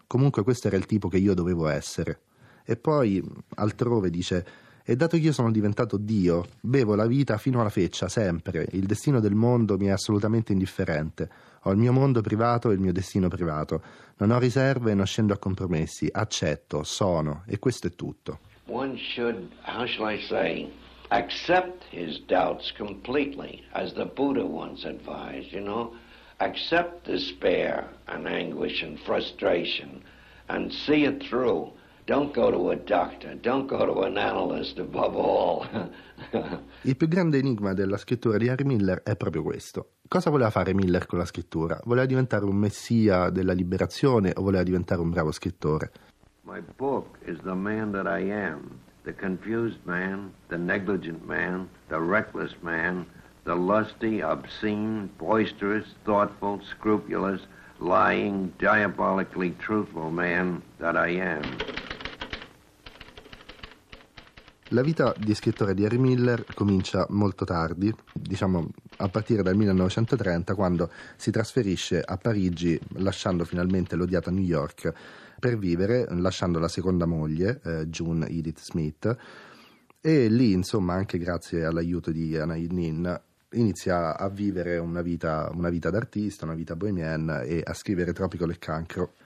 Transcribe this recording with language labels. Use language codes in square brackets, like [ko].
[it] Comunque questo era il tipo che io dovevo essere». E poi altrove dice: «E dato che io sono diventato Dio, bevo la vita fino alla feccia, sempre. Il destino del mondo mi è assolutamente indifferente. Ho il mio mondo privato e il mio destino privato. Non ho riserve e non scendo a compromessi. Accetto, sono, e questo è tutto». [en] One should, how shall I say, accept his doubts completely, as the Buddha once advised, you know. Accept despair and anguish and frustration and see it through. Don't go to a doctor, don't go to an analyst above all. [it] Il più grande enigma della scrittura di Harry Miller è proprio questo. Cosa voleva fare Miller con la scrittura? Voleva diventare un messia della liberazione o voleva diventare un bravo scrittore? [en] My book is the man that I am, the confused man, the negligent man, the reckless man, the lusty, obscene, boisterous, thoughtful, scrupulous, lying, diabolically truthful man that I am. [it] La vita di scrittore di Harry Miller comincia molto tardi, diciamo a partire dal 1930, quando si trasferisce a Parigi, lasciando finalmente l'odiata New York per vivere, lasciando la seconda moglie, June Edith Smith, e lì, insomma, anche grazie all'aiuto di Anna Nin, inizia a vivere una vita d'artista, una vita bohemienne, e a scrivere Tropical e Cancro.